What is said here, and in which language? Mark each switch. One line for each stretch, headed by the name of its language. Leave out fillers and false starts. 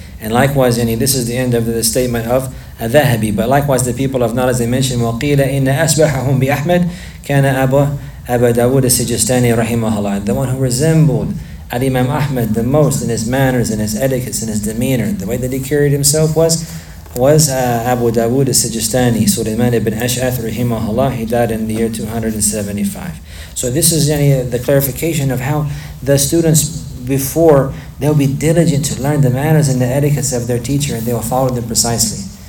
English: And likewise, yani, this is the end of the statement of Al-Dhahabi. But likewise, the people of knowledge, they mentioned,
Arabic: وَقِيلَ إِنَّ أَسْبَحَهُمْ بِأَحْمَدْ كَانَ أَبَا دَوُودَ السِّجِسْتَانِ رَحِمَهُ اللَّهِ.
English: The one who resembled Al-Imam Ahmed the most in his manners, in his etiquettes, in his demeanor, the way that he carried himself was Abu Dawood al-Sijistani, Sulaiman ibn Ash'ath, rahimahullah. He died in the year 275. So this is the clarification of how the students before, they'll be diligent to learn the manners and the etiquettes of their teacher, and they'll follow them precisely.